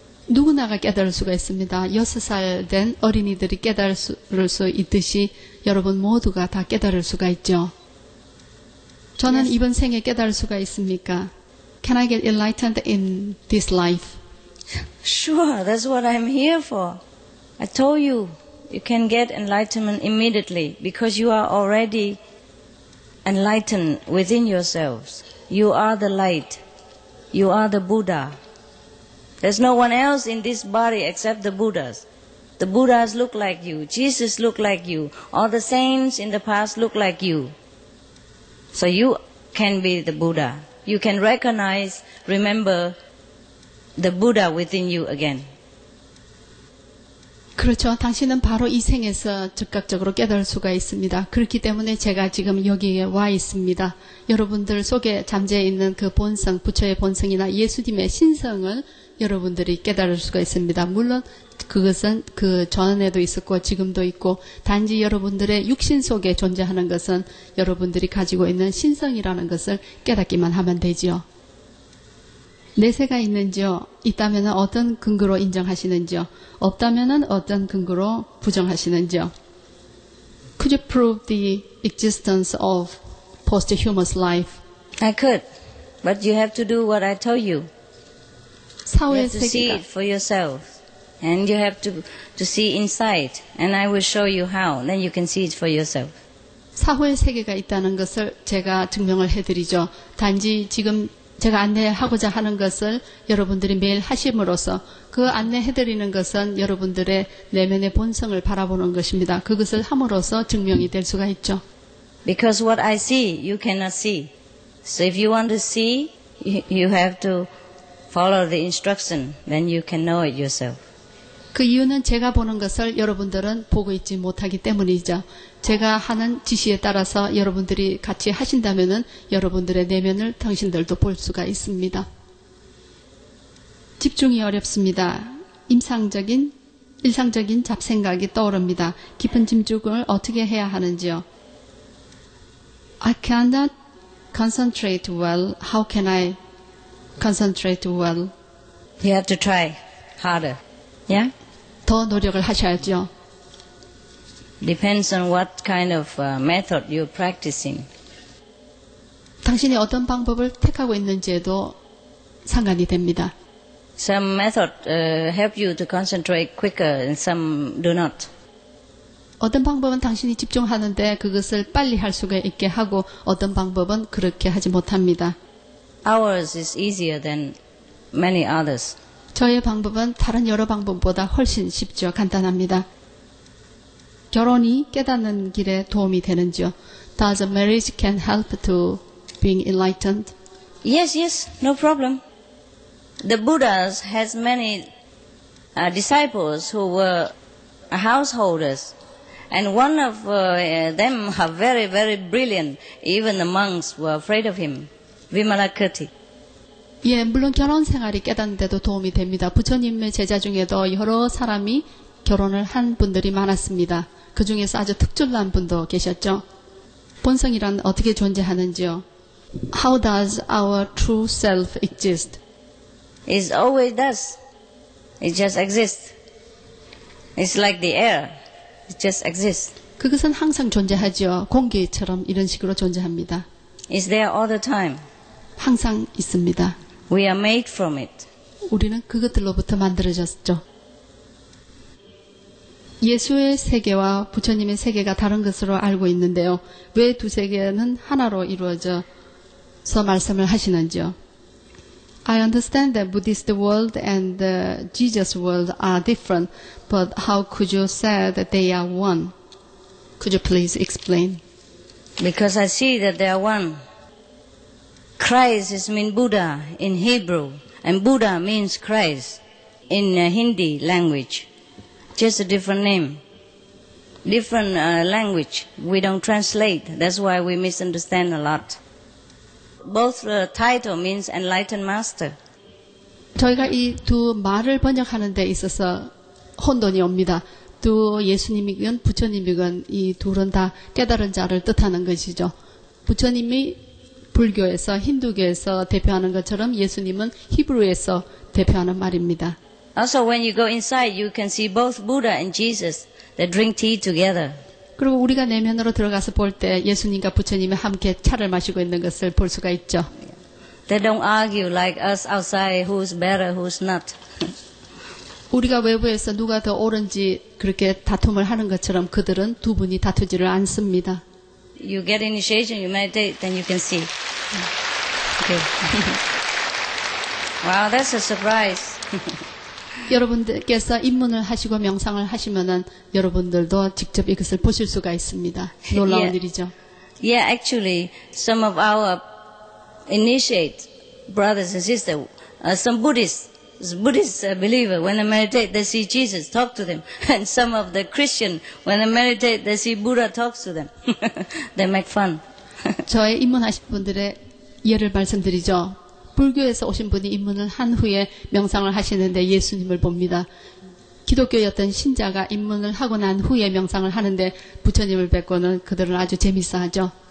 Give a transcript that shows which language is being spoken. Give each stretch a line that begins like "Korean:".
Korean: 누구나가 깨달을 수가 있습니다. 6살 된 어린이들이 깨달을 수 있듯이 여러분 모두가 다 깨달을 수가 있죠. 저는 yes. 이번 생에 깨달을 수가 있습니까?
English: Can I get enlightened in this life? Sure, that's what I'm here for. I told you, you can get enlightenment immediately because you are already enlightened within yourselves. You are the light. You are the Buddha. There's no one else in this body except the Buddhas. The Buddhas look like you. Jesus look like you. All the saints in the past look like you. So you can be the Buddha. You can recognize, remember the Buddha within you again.
Korean: 그렇죠. 당신은 바로 이 생에서 즉각적으로 깨달을 수가 있습니다. 그렇기 때문에 제가 지금 여기에 와 있습니다. 여러분들 속에 잠재해 있는 그 본성, 부처의 본성이나 예수님의 신성을 여러분들이 깨달을 수가 있습니다. 물론 그것은 그 전에도 있었고 지금도 있고 단지 여러분들의 육신 속에 존재하는 것은 여러분들이 가지고 있는 신성이라는 것을 깨닫기만 하면 되죠. 내세가 있는지요? 있다면 어떤 근거로 인정하시는지요? 없다면 어떤 근거로 부정하시는지요?
English: Could you prove the existence of posthumous life? I could, but you have to do what I told you. You have to see it for yourself, and you have to see inside, and I will show you how, then you can see it for yourself.
Korean: 사후의 세계가 있다는 것을 제가 증명을 해드리죠. 단지 지금 제가 안내하고자 하는 것을 여러분들이 매일 하심으로써 그 안내해드리는 것은 여러분들의 내면의 본성을 바라보는 것입니다. 그것을 함으로써 증명이 될 수가 있죠.
English: Because what I see, you cannot see. So if you want to see, you have to follow the instruction, then you can know it yourself.
Korean: 그 이유는 제가 보는 것을 여러분들은 보고 있지 못하기 때문이죠. 제가 하는 지시에 따라서 여러분들이 같이 하신다면은 여러분들의 내면을 당신들도 볼 수가 있습니다. 집중이 어렵습니다. 일상적인 잡생각이 떠오릅니다. 깊은 집중을 어떻게 해야 하는지요?
English: I cannot concentrate well. How can I concentrate well? You have to try harder. Yeah?
Korean: 더 노력을 하셔야죠.
English: Depends on what kind of method you're practicing.
Korean: 당신이 어떤 방법을 택하고 있는지에도 상관이 됩니다.
English: Some method help you to concentrate quicker and some do not.
Korean: 어떤 방법은 당신이 집중하는데 그것을 빨리 할 수가 있게 하고 어떤 방법은 그렇게 하지 못합니다.
English: Ours is easier than many others.
Korean: 저의 방법은 다른 여러 방법보다 훨씬 쉽죠. 간단합니다. 결혼이 깨닫는 길에 도움이 되는지요?
English: Does a marriage can help to being enlightened? Yes, yes, no problem. The Buddha has many disciples who were householders. And one of them are very, very brilliant. Even the monks were afraid of him, Vimalakirti.
Korean: 예, 물론 결혼 생활이 깨닫는데도 도움이 됩니다. 부처님의 제자 중에도 여러 사람이 결혼을 한 분들이 많았습니다. 그 중에서 아주 특출난 분도 계셨죠. 본성이란 어떻게 존재하는지요?
English: How does our true self exist? It always does. It just exists. It's like the air. It just exists.
Korean: 그것은 항상 존재하죠. 공기처럼 이런 식으로 존재합니다.
English: It's there all the time.
Korean: 항상 있습니다.
English: We are made from it.
Korean: 우리는 그것들로부터 만들어졌죠. 예수의 세계와 부처님의 세계가 다른 것으로 알고 있는데요. 왜 두 세계는 하나로 이루어져서 말씀을 하시는지요?
English: I understand that Buddhist world and the Jesus world are different, but how could you say that they are one? Could you please explain? Because I see that they are one. Christ is mean Buddha in Hebrew, and Buddha means Christ in Hindi language. Just a different name, different language. We don't translate. That's why we misunderstand a lot. Both title means enlightened master.
Korean: 저희가 이 두 말을 번역하는 데 있어서 혼돈이 옵니다. 또 예수님이건 부처님이건 이 둘은 다 깨달은 자를 뜻하는 것이죠. 부처님이 불교에서 힌두교에서 대표하는 것처럼 예수님은 히브리어에서 대표하는 말입니다.
English: Also when you go inside you can see both Buddha and Jesus that drink tea together.
Korean: 그리고 우리가 내면으로 들어가서 볼 때 예수님과 부처님이 함께 차를 마시고 있는 것을 볼 수가 있죠.
English: They don't argue like us outside who's better who's not.
Korean: 우리가 외부에서 누가 더 옳은지 그렇게 다툼을 하는 것처럼 그들은 두 분이 다투지를 않습니다.
English: You get initiation, you meditate, then you can see. Okay. Wow, that's a surprise.
Korean: 여러분들께서 입문을 하시고 명상을 하시면은 여러분들도 직접 이것을 보실 수가 있습니다. 놀라운 yeah. 일이죠.
English: Yeah, actually, some of our initiate brothers and sisters, some Buddhists believer, when they meditate, they see Jesus talk to them. And some of the Christian, when they meditate, they see Buddha talks to them. They make fun.
Korean: 저의 입문하신 분들의 예를 말씀드리죠. 불교에서 오신 분이 입문을 한 후에 명상을 하시는데 예수님을 봅니다. 기독교였던 신자가 입문을 하고 난 후에 명상을 하는데 부처님을 뵙고는 그들은 아주 재밌어하죠.